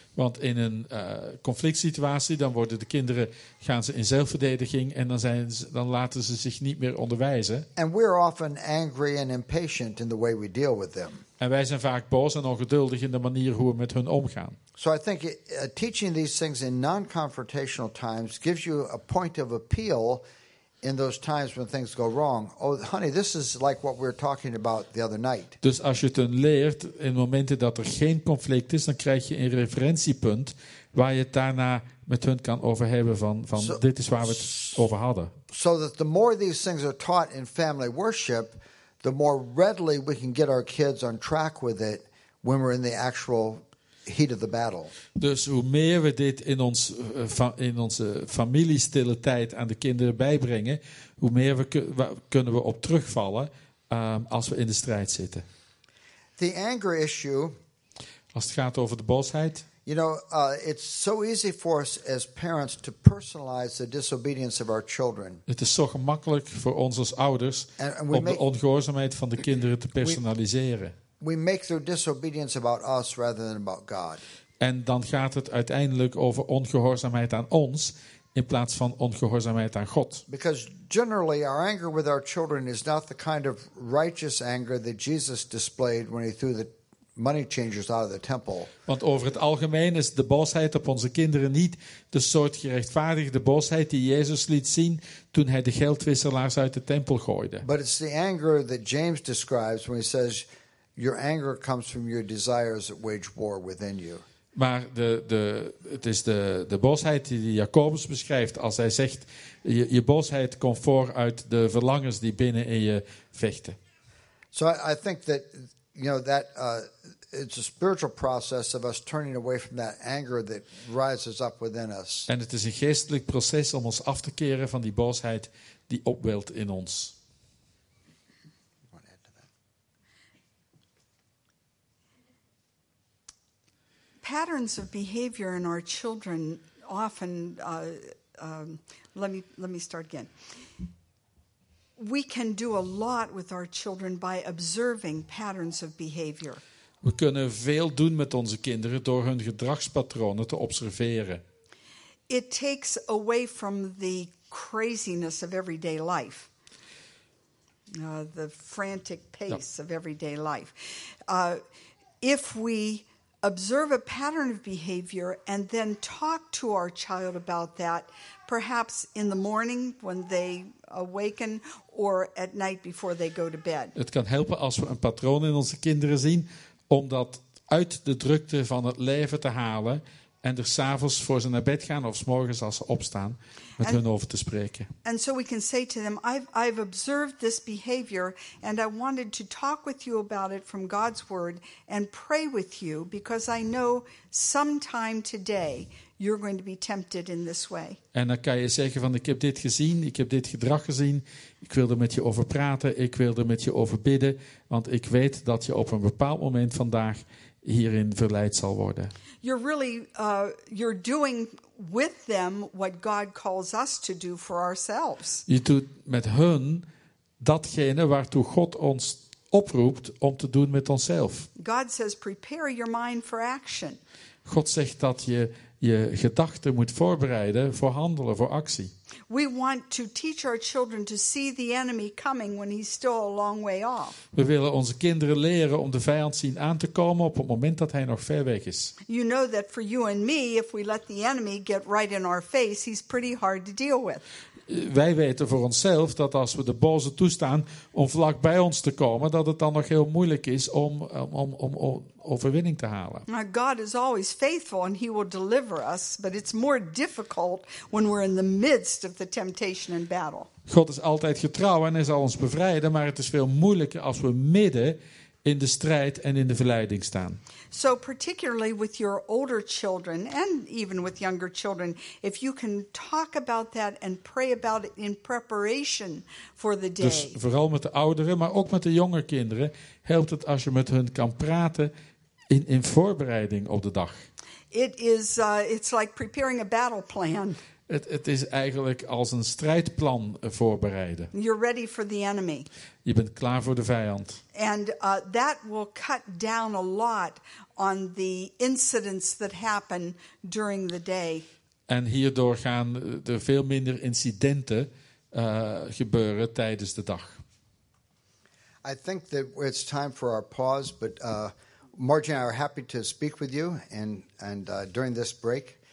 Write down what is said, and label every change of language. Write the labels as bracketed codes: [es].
[nl] Want in een conflict situatie, dan worden de kinderen, gaan ze in zelfverdediging en dan laten ze zich niet meer onderwijzen. [en] And we're often angry and impatient in the way we deal with them. [nl] En wij zijn vaak boos en ongeduldig in de manier hoe we met hun omgaan. [en] So I think teaching these things in non-confrontational times gives you a point of appeal in those times when things go wrong. Oh, honey, this is like what we were talking about the other night. [nl] Dus als je het hun leert in momenten dat er geen conflict is, dan krijg je een referentiepunt waar je het daarna met hun kan over hebben dit is waar we het over hadden. [en] So that the more these things are taught in family worship, the more readily we can get our kids on track with it when we're in the actual heat of the battle. [nl] Dus hoe meer we dit in onze familiestille tijd aan de kinderen bijbrengen, hoe meer kunnen we op terugvallen als we in de strijd zitten. [en] The anger issue. [nl] Als het gaat over de boosheid. [en] You know, it's so easy for us as parents to personalize the disobedience of our children. [nl] Het is zo gemakkelijk voor ons als ouders om de ongehoorzaamheid van de kinderen te personaliseren. [en] We make their disobedience about us rather than about God. [nl] En dan gaat het uiteindelijk over ongehoorzaamheid aan ons in plaats van ongehoorzaamheid aan God. [en] Because generally our anger with our children is not the kind of righteous anger that Jesus displayed when he threw the money changers out of the temple. [nl] Want over het algemeen is de boosheid op onze kinderen niet de soort gerechtvaardigde boosheid die Jezus liet zien toen hij de geldwisselaars uit de tempel gooide. [en] But it's the anger that James describes when he says your anger comes from your desires that wage war within you. [nl] Maar het is de boosheid die Jacobus beschrijft als hij zegt je boosheid komt voor uit de verlangens die binnen in je vechten. [en] So I think that, you know, that it's a spiritual process of us turning away from that anger that rises up within us. [nl] En het is een geestelijk proces om ons af te keren van die boosheid die opwelt in ons. [en] Patterns of behavior in our children often let me start again. We can do a lot with our children by observing patterns of behavior. [nl] We kunnen veel doen met onze kinderen door hun gedragspatronen te observeren. [en] It takes away from the craziness of everyday life. The frantic pace of everyday life. If we observe a pattern of behavior and then talk to our child about that, perhaps in the morning when they awaken or at night before they go to bed. [nl] Het kan helpen als we een patroon in onze kinderen zien om dat uit de drukte van het leven te halen en er 's avonds voor ze naar bed gaan of 's morgens als ze opstaan met hun over te spreken. [en] And so we can say to them, I've observed this behavior and I wanted to talk with you about it from God's word and pray with you because I know sometime today you're going to be tempted in this way. [nl] En dan kan je zeggen van ik heb dit gezien, ik heb dit gedrag gezien, ik wil er met je over praten, ik wil er met je over bidden, want ik weet dat je op een bepaald moment vandaag hierin verleid zal worden. [en] You're really you're doing with them what God calls us to do for ourselves. [nl] Je doet met hun datgene waartoe God ons oproept om te doen met onszelf. [en] God says prepare your mind for action. [nl] God zegt dat je gedachten moet voorbereiden voor handelen, voor actie. [en] We want to teach our children to see the enemy coming when he's still a long way off. [nl] We willen onze kinderen leren om de vijand zien aan te komen op het moment dat hij nog ver weg is. [en] You know that for you and me, if we let the enemy get right in our face, he's pretty hard to deal with. [nl] Wij weten voor onszelf dat als we de boze toestaan om vlak bij ons te komen, dat het dan nog heel moeilijk is om overwinning te halen. [en] God is always faithful and he will deliver us, but it's more difficult when we're in the midst of the temptation and battle. [nl] God is altijd getrouw en hij zal ons bevrijden, maar het is veel moeilijker als we midden in de strijd en in de verleiding staan. [en] So particularly with your older children and even with younger children, if you can talk about that and pray about it in preparation for the day. [nl] Dus vooral met de ouderen, maar ook met de jonge kinderen, helpt het als je met hun kan praten in voorbereiding op de dag. [en] It's like preparing a battle plan. [nl] Het is eigenlijk als een strijdplan voorbereiden. [en] You're ready for the enemy. [nl] Je bent klaar voor de vijand. [en] And that will cut down a lot on the incidents that happen during the day. [nl] En hierdoor gaan er veel minder incidenten gebeuren tijdens de dag. [en] I think that it's time for our pause, but Margie and I are happy to speak with you and during this break.